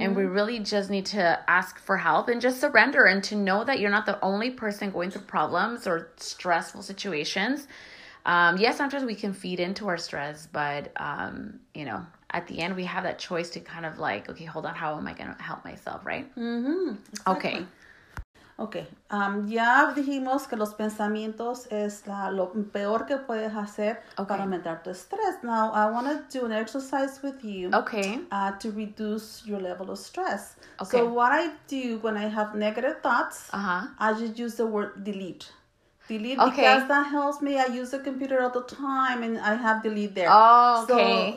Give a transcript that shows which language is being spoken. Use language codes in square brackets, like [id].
[en] And we really just need to ask for help and just surrender and to know that you're not the only person going through problems or stressful situations. Yes, sometimes we can feed into our stress, but, you know, at the end, we have that choice to kind of like, okay, hold on, how am I going to help myself, right? Mm-hmm. Exactly. Okay. Okay. [es] Ya dijimos que los pensamientos es lo peor que puedes hacer para aumentar tu estrés. [en] Now, I want to do an exercise with you. Okay. To reduce your level of stress. Okay. So what I do when I have negative thoughts, uh-huh. I just use the word delete. Delete, okay. Because that helps me. I use the computer all the time and I have delete there. Oh, okay.